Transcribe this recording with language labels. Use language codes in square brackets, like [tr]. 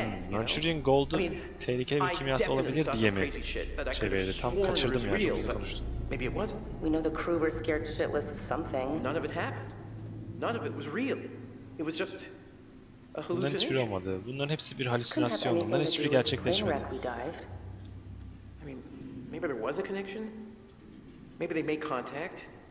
[tr] Manchurian Gold'un tehlikeli bir kimyasal olabilir diye mi çevirdi? Tam kaçırdım ya, çok konuştum. [en] Maybe it wasn't. We know the crew were scared shitless of something. None of it happened. None of it was real. It was just a hallucination. [tr] Bunların hiçbiri olmadı. Bunların hepsi bir halüsinasyon. Bunların hiçbiri gerçekleşmedi. [en] I mean, maybe there was a connection. Maybe they made contact.